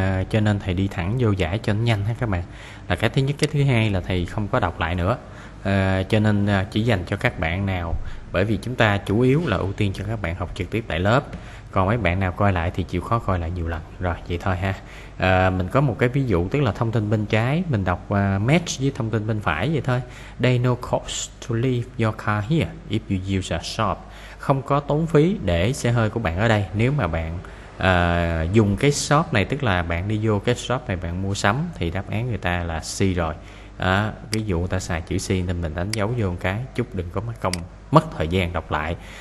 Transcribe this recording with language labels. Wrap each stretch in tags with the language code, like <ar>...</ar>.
<vi>Cho nên thầy đi thẳng vô giải cho nó nhanh ha các bạn. Là cái thứ nhất, cái thứ hai là thầy không có đọc lại nữa. Cho nên chỉ dành cho các bạn nào, bởi vì chúng ta chủ yếu là ưu tiên cho các bạn học trực tiếp tại lớp. Còn mấy bạn nào coi lại thì chịu khó coi lại nhiều lần. Rồi vậy thôi ha. Mình có một cái ví dụ, tức là thông tin bên trái mình đọc match với thông tin bên phải vậy thôi.</vi> <en>There no cost to leave your car here if you use a shop.</en> <vi>Không có tốn phí để xe hơi của bạn ở đây nếu mà bạn dùng cái shop này, tức là bạn đi vô cái shop này bạn mua sắm, thì đáp án người ta là C rồi. Ví dụ ta xài chữ C nên mình đánh dấu vô một cái, chút đừng có mất công mất thời gian đọc lại.</vi>